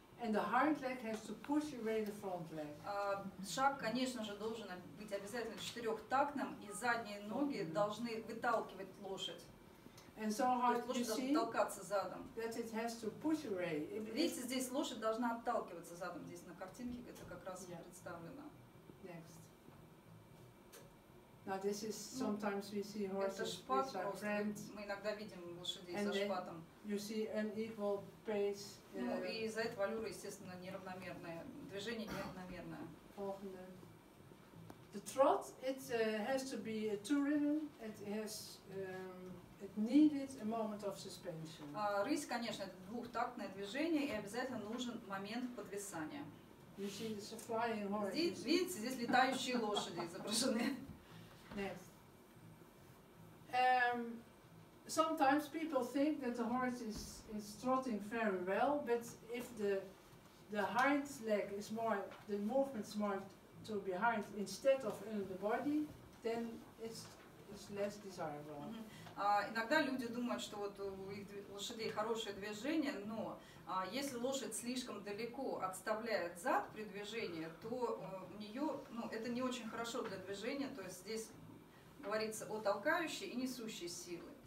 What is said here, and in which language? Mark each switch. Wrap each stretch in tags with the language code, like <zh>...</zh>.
<en>And the hind leg has to push away the front leg.</en> <ru>Шаг, конечно же, должен быть обязательно четырехтактным, и задние ноги должны выталкивать лошадь.</ru> <en>And so</en> <ru>толкаться задом.</ru> <en>That it has to push away.</en> <ru>Видите, здесь лошадь должна отталкиваться задом. Здесь на картинке это как раз yeah. представлено.</ru> <en>Next. Now this is sometimes we see horses which are cramped.</en> <ru>Мы иногда видим лошадей со шпатом.</ru> <en>You see unequal pace.</en> <ru>И из-за этого валюра, естественно, неравномерное. Движение неравномерное.</ru> <en>The trot, it has to be a two rhythm. It has it needed a moment of suspension.</en> <ru>Рысь, конечно, это двухтактное движение, и обязательно нужен момент подвисания.</ru> <en>You see, it's a flying horse.</en> <ru>Здесь, видите, здесь летающие лошади изображены.</ru> <en>Yes. Sometimes people think that the horse is trotting very well, but if the hind leg is more, the movement is more to behind instead of under the body, then it's less desirable. Mm-hmm.</en> <ru>Иногда люди думают, что вот у их лошадей хорошее движение, но если лошадь слишком далеко отставляет зад при движении, то у нее, ну, это не очень хорошо для движения, то есть здесь говорится о толкающей и несущей силе.</ru>